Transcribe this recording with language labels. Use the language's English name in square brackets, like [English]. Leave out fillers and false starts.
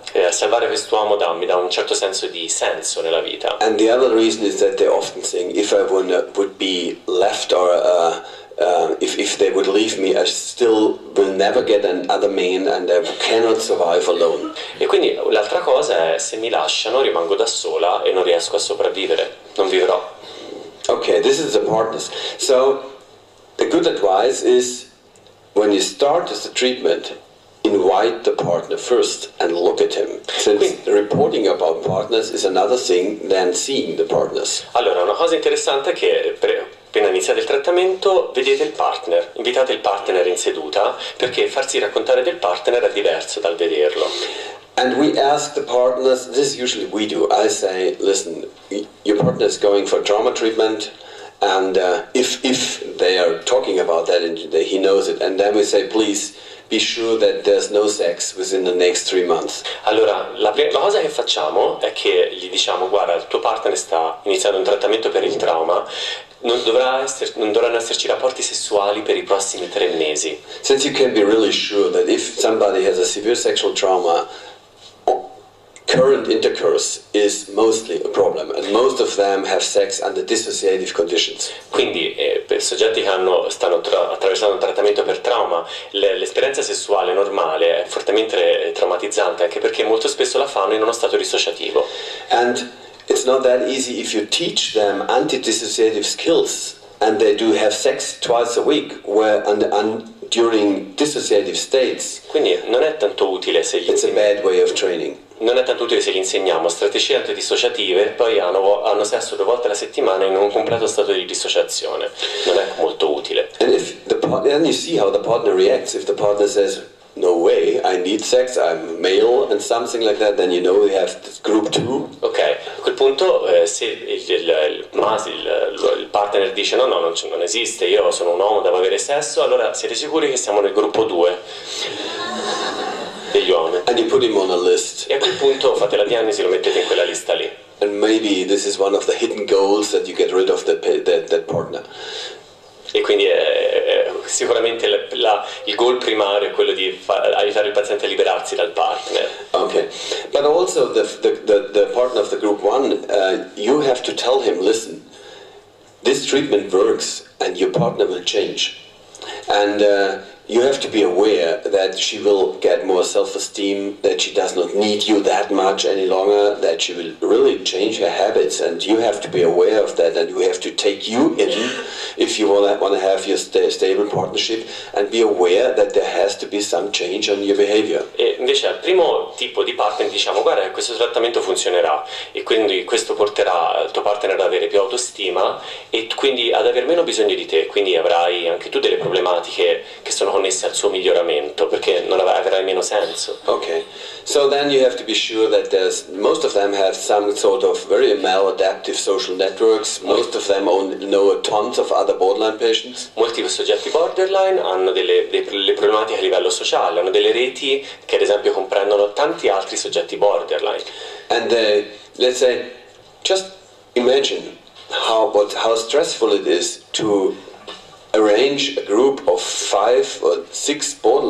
[Italian] Salvare quest'uomo mi dà un certo senso di senso nella vita. [English] And the other reason is that they often think if I would be left or if they would leave me, I still will never get another man and I cannot survive alone. [Italian] E quindi l'altra cosa è se mi lasciano rimango da sola e non riesco a sopravvivere, non vivrò. [English] Okay, this is the partners. So the good advice is when you start with the treatment, invite the partner first and look at him. Since reporting about partners is another thing than seeing the partners. [Italian] Allora, una cosa interessante è che appena iniziate il trattamento, vedete il partner, invitate il partner in seduta, perché farsi raccontare del partner è diverso dal vederlo. [English] And we ask the partners, this usually we do, I say, listen, your partner is going for trauma treatment, and if they are talking about that, and he knows it, and then we say, please, be sure that there's no sex within the next 3 months. [Italian] Allora, la cosa che facciamo è che gli diciamo, guarda, il tuo partner sta iniziando un trattamento per il trauma, non dovranno esserci rapporti sessuali per i prossimi 3 mesi. [English] Since you can be really sure that if somebody has a severe sexual trauma, current intercourse is mostly a problem, and most of them have sex under dissociative conditions. [Italian] Quindi, per soggetti che stanno attraversando un trattamento per trauma, l'esperienza sessuale normale è fortemente traumatizzante, anche perché molto spesso la fanno in uno stato dissociativo. [English] And it's not that easy if you teach them anti-dissociative skills and they do have sex twice a week, where under during dissociative states. [Italian] Quindi non è tanto utile se gli [English] It's a bad way of training. [Italian] Non è tanto utile se gli insegniamo strategie antidissociative, poi hanno sesso due volte alla settimana in un completo stato di dissociazione. Non è molto utile. [English] And if the partner, then you see how the partner reacts. If the partner says no way, I need sex, I'm male and something like that, then you know we have this group 2. [Italian] Ok, a quel punto se il partner dice no, non esiste, io sono un uomo, devo avere sesso, allora siete sicuri che siamo nel gruppo 2 degli uomini. [English] And you put him on a list. [Italian] E a quel punto fate la diagnosi e lo mettete in quella lista lì. [English] And maybe this is one of the hidden goals that you get rid of that partner. [Italian] E quindi è sicuramente il goal primario è quello di aiutare il paziente a liberarsi dal partner. [English] Okay, but also the partner of the group 1, you have to tell him, listen, this treatment works and your partner will change. And you have to be aware that she will get more self-esteem, that she does not need you that much any longer, that she will really change her habits, and you have to be aware of that, and we have to take you in if you want to have your stable partnership, and be aware that there has to be some change on your behavior. [Italian] E invece al primo tipo di partner diciamo, guarda, questo trattamento funzionerà, e quindi questo porterà il tuo partner ad avere più autostima, e quindi ad aver meno bisogno di te, quindi avrai anche tu delle problematiche che sono connesse al suo miglioramento, perché non avrai meno senso. [English] Okay, so then you have to be sure that there's most of them have some sort of very maladaptive social networks. Most of them know tons of other borderline patients. [Italian] Molti soggetti borderline hanno delle problematiche a livello sociale, hanno delle reti che ad esempio comprendono tanti altri soggetti borderline. [English] And let's say, just imagine how stressful it is to arrange a group of five or six